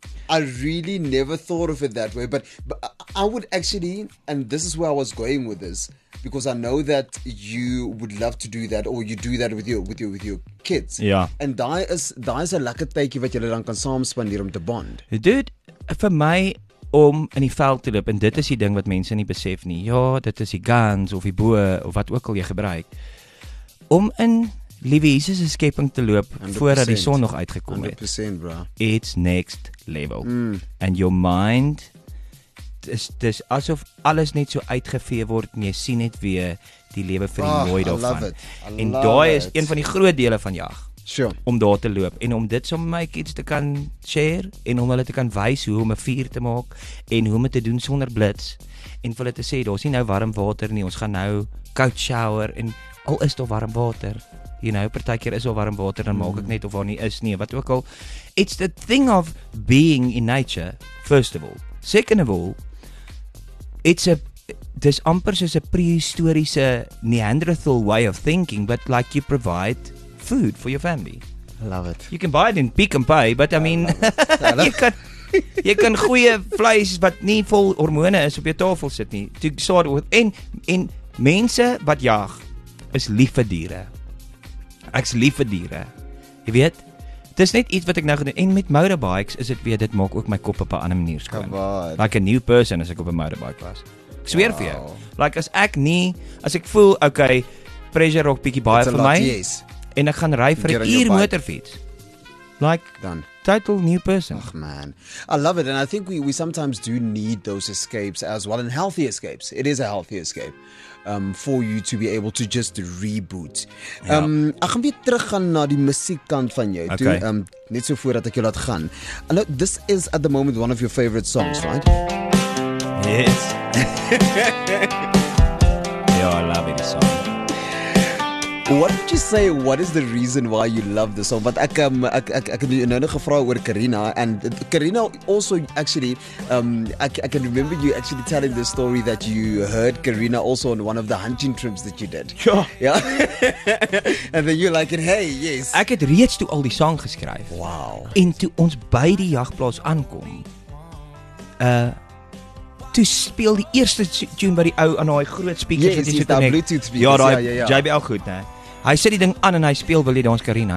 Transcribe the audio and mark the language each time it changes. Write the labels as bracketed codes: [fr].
[en] I really never thought of it that way, but I would actually, and this is where I was going with this, because I know that you would love to do that, or you do that with your kids. Yeah. [af] And daai is 'n lekker tydjie wat jy dan kan saam spandeer om te bond. Dude, vir my om in die veld te loop, en dit is die ding wat mense nie besef nie. Ja, dit is die guns of die bo of wat ook al jy gebruik. Om in Liewe Jesus se skepping te loop voordat die son nog uitgekom het. [en] 100% bro. It's next level. And your mind is [af] asof alles net so uitgevee word en jy sien net weer die lewe vir die mooi daarvan. En daai is een van die groot dele van jag. [en] Sure. [af] Om daar te loop en om dit so met my kids te kan share en om hulle te kan wys hoe om 'n vuur te maak en hoe om dit te doen sonder blits en vir hulle te sê daar's nie nou warm water nie, ons gaan nou koud shower en al is daar warm water. [en] You know, [af] partykeer is al warm water dan maak ek net of daar nie is nie, wat ook al. [en] It's the thing of being in nature, first of all. Second of all, [af] dis amper soos 'n prehistoriese Neanderthal [en] way of thinking, but like you provide food for your family. I love it. You can buy it in Pick and Pay, but I mean, you can [af] goeie vleis wat nie vol hormone is op jou tafel sit nie. [en] To start with, [af] en mense wat jag is lief vir diere. Ek's lief vir diere. Jy weet, dis net iets wat ek nou gedoen en met motorbikes is dit weer, dit maak ook my kop op 'n ander manier skoon. [en] Like a new person [af] as ek op 'n motorbike was. Ek sweer vir jou. Like as ek voel, okay, pressure rock bietjie baie vir my. [en] Yes. [af] En ek gaan ry vir 'n uur motorfiets. [en] Like done. Title new person. Oh man. I love it and I think we sometimes do need those escapes as well and healthy escapes. It is a healthy escape. For you to be able to just reboot. [af] Ek gaan weer terug gaan na die musiekkant van jou. [en] Okay. [af] Net so voordat ek jou laat gaan. [en] Now, this is at the moment one of your favorite songs, right? Yes. Yeah, I love it, this song. What did you say? What is the reason why you love this song? But Karina, and Karina also actually, I can remember you actually telling the story that you heard Karina also on one of the hunting trips that you did. Sure. Yeah. And then you're like, hey, yes. [af] Ek het reeds toe al die song geskryf. [en] Wow. [af] En toe ons by die jagplaas aankom, toe speel die eerste tune by die ou aan daai groot speakers. Yes, is daai Bluetooth speakers. Ja, daai JBL goed, hè. Hy sit die ding aan en hy speel Wil jy dans Karina.